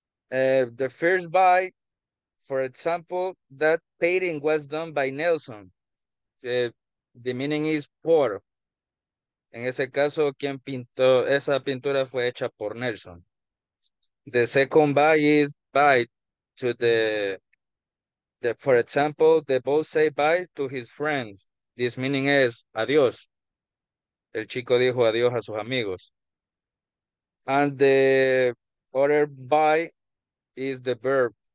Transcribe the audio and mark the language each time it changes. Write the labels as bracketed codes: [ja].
[en] The first by, for example, that painting was done by Nelson. The meaning is por. [es] En ese caso, quien pintó esa pintura fue hecha por Nelson. [en] The second by is by to the for example, the boy say bye to his friends. This meaning is adiós. [es] El chico dijo adiós a sus amigos. [en] And the other by is the verb.